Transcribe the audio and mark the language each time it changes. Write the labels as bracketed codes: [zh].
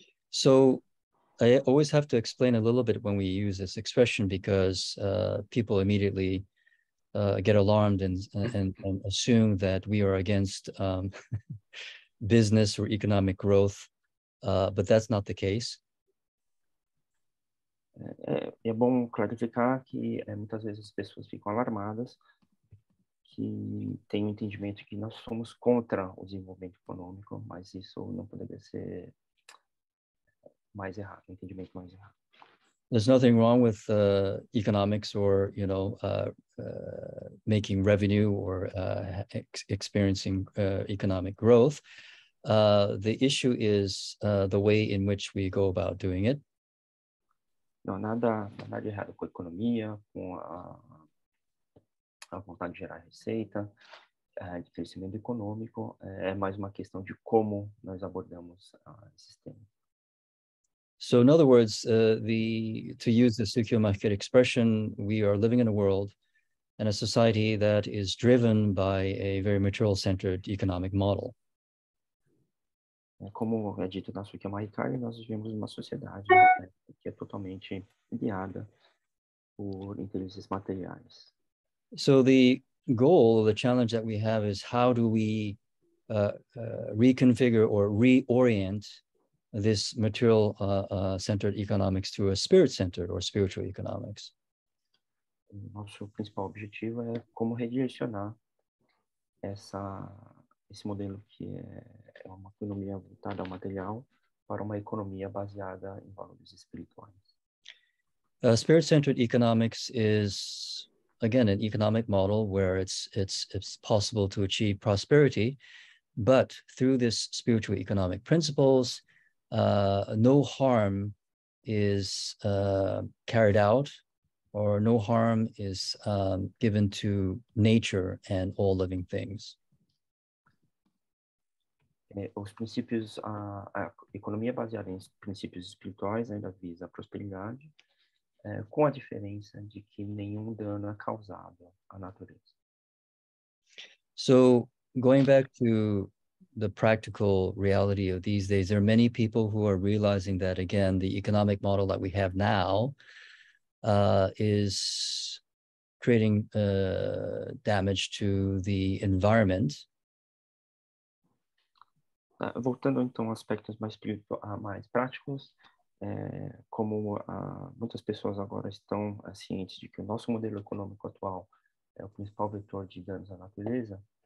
[en] So, I always have to explain a little bit when we use this expression, because people immediately get alarmed and assume that we are against business or economic growth, but that's not the case. [pt] É bom clarificar que muitas vezes as pessoas ficam alarmadas, que têm o entendimento que nós somos contra o desenvolvimento econômico, mas isso não poderia ser mais errado, entendimento mais errado. [en] There's nothing wrong with economics or, you know, making revenue or experiencing economic growth. The issue is the way in which we go about doing it. [pt] Não, nada de errado com a economia, com a vontade de gerar receita, de crescimento econômico, é mais uma questão de como nós abordamos esses temas. [en] So, in other words, to use the Sukyo Market expression, we are living in a world and a society that is driven by a very material-centered economic model. [pt] Como é dito na Sukyo Maikari, nós vivemos uma sociedade que é totalmente guiada por interesses materiais. [en] So the goal, the challenge that we have is how do we reconfigure or reorient this material-centered economics to a spirit-centered or spiritual economics. [pt] Nosso principal objetivo é como redirecionar essa, esse modelo que é uma economia voltada ao material para uma economia baseada em valores espirituais. [en] Spirit-centered economics is, again, an economic model where it's possible to achieve prosperity, but through this spiritual economic principles, no harm is carried out, or no harm is given to nature and all living things. [pt] Os princípios, a economia baseada em princípios espirituais ainda visa a prosperidade, com a diferença de que nenhum dano é causado à natureza. [en] So, going back to the practical reality of these days, there are many people who are realizing that, again, the economic model that we have now is creating damage to the environment. [pt] Voltando então a aspectos mais práticos, como muitas pessoas agora estão cientes de que o nosso modelo econômico atual é o principal vetor de danos à natureza.